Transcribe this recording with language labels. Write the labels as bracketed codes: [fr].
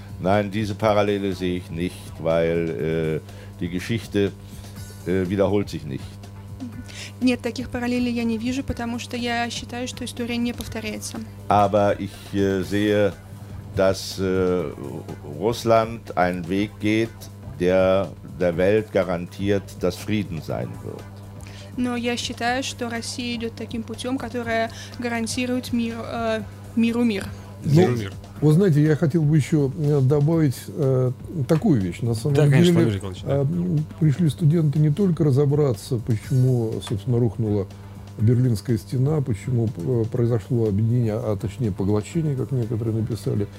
[de] Nein, diese Parallele sehe ich nicht, weil die Geschichte wiederholt sich nicht. [ru] Нет, таких параллелей я не вижу, потому что я считаю, что история не повторяется. [de] Aber ich sehe, dass Russland einen Weg geht, der der Welt garantiert, dass Frieden sein wird. [ru] Но я считаю, что Россия идет таким путем, который гарантирует мир, миру мир. Ну, вы знаете, я хотел бы еще добавить такую вещь. На самом деле, пришли студенты не только разобраться, почему, собственно, рухнула Берлинская стена, почему произошло объединение, а точнее поглощение, как некоторые написали.